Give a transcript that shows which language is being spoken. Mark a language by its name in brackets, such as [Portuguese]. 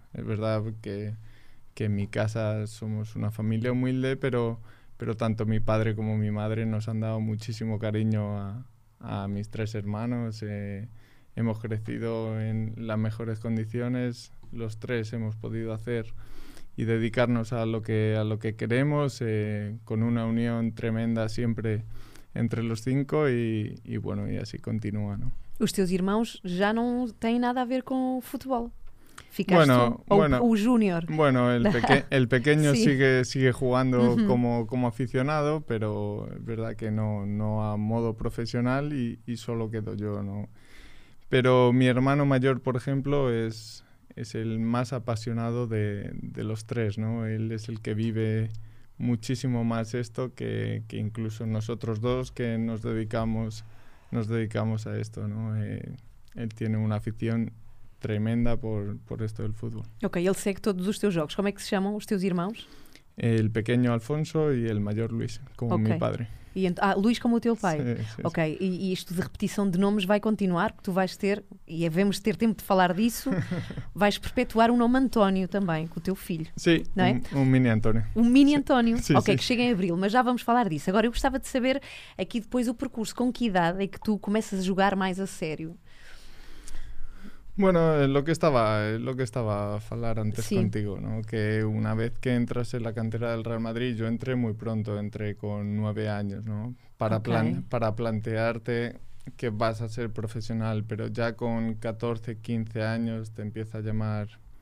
[Spanish] Es verdad que en mi casa somos una familia humilde, pero tanto mi padre como mi madre nos han dado muchísimo cariño a mis tres hermanos. Hemos crecido en las mejores condiciones. Los tres hemos podido hacer y dedicarnos a lo que queremos, con una unión tremenda siempre entre los cinco y bueno, y así continúa, ¿no? [Portuguese] Os teus irmãos já não têm nada a ver com o futebol. Ficaste [Spanish] bueno, bueno, [Portuguese] o júnior. [Spanish] Bueno, el pequeño sigue jugando uh-huh. como aficionado, pero es verdad que no a modo profesional y solo quedo yo, ¿no? Pero mi hermano mayor, por ejemplo, es el más apasionado de los tres, ¿no? Él es el que vive muchísimo más esto que incluso nosotros dos que nos dedicamos a esto, ¿no? Él tiene una afición tremenda por esto del fútbol. Ok, él sigue todos los teus jogos. ¿Cómo es que se llaman [Portuguese] los teus irmãos? [Spanish] El pequeño Alfonso y el mayor Luis, como mi padre. [Portuguese] Luis como o teu pai. [Spanish] Sí, sí, ok, sí. [Portuguese] E isto de repetição de nomes vai continuar, que tu vais ter, e devemos ter tempo de falar disso, vais perpetuar um nome António também, com o teu filho. Sim, não é? Um mini António. Um mini António, ok, que chega em abril, mas já vamos falar disso. Agora, eu gostava de saber aqui depois o percurso, com que idade é que tu começas a jogar mais a sério? [Spanish] Bueno, lo que estaba a falar antes contigo, ¿no? Que una vez que entras en la cantera del Real Madrid, yo entré muy pronto, entré con 9 años, ¿no? Para plantearte que vas a ser profesional, pero ya con 14, 15 años te empieza a llamar